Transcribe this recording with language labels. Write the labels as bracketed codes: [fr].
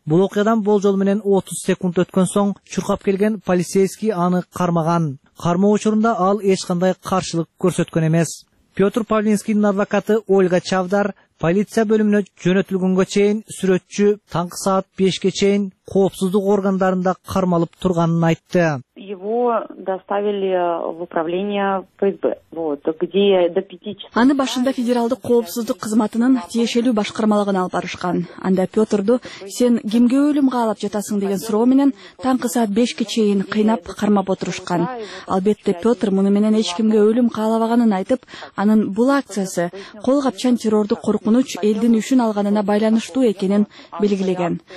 [ky] Бул окуядан болжол менен 30 секунд өткөн соң чуркап келген полицейский аны кармаган. Кармоо учурунда ал эч кандай каршылык көрсөткөн эмес. Петр Павлинскийдин адвокаты Ольга Чавдар полиция бөлүмүнө жөнөтүлгөнгө чейин сүрөтчү таңкы саат 5 чейин коопсуздук органдарында кармалып турганын айтты. [ru] Его доставили в управление ФСБ. Вот, где до 5 часов. [ky] Аны башында федералдык коопсуздук кызматынын тиешелүү башкармалыгына алып барышкан. Анда Петрду "Сен кимге өлүмгө алып жатасың?" деген суроо менен таңкы саат 5 чейин кыйнап кармап отурушкан. Албетте Петр муну менен эч кимге өлүм каалабаганын айтып, анын бул акциясы кол капчан террордук коркунуч элдин үшүн алганына байланыштуу экенин белгилеген.